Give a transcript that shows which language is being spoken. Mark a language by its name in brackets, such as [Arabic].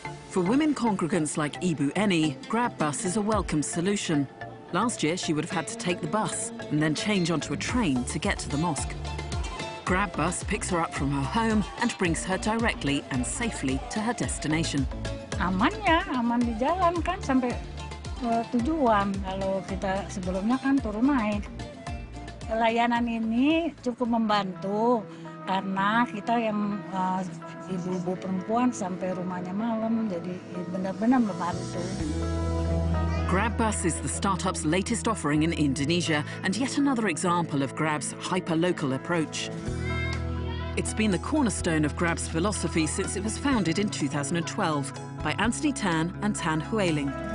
[English] For women congregants like Ibu Eni, Grab Bus is a welcome solution. Last year, she would have had to take the bus and then change onto a train to get to the mosque. Grab Bus picks her up from her home and brings her directly and safely to her destination. [Indonesian] Amannya, aman di jalan kan sampai tujuan. Kalau kita sebelumnya kan turun naik. Layanan ini cukup membantu karena kita yang ibu-ibu perempuan sampai rumahnya malam, jadi benar-benar membantu. [English] GrabBus is the startup's latest offering in Indonesia and yet another example of Grab's hyper-local approach. It's been the cornerstone of Grab's philosophy since it was founded in 2012 by Anthony Tan and Tan Hueling.